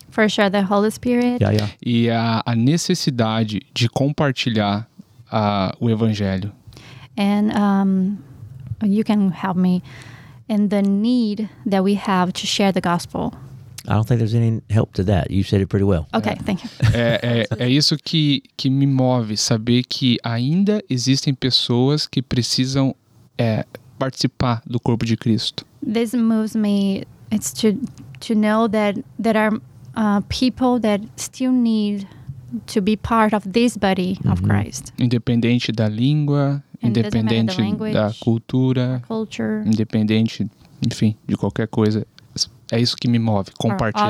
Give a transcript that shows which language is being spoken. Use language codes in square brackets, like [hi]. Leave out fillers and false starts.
[en] For sure, the Holy Spirit. Yeah, yeah. [pt] E a necessidade de compartilhar o Evangelho. [en] And you can help me in the need that we have to share the gospel. I don't think there's any help to that. You said it pretty well. Okay, thank you. [pt] É isso que me move, saber que ainda existem pessoas que precisam participar do corpo de Cristo. [en] This moves me. It's to know that there are people that still need to be part of this body of Christ. [pt] Independente da língua, independente da cultura, [en] culture, [pt] independente, enfim, de qualquer coisa. É isso que me move, compartilhar.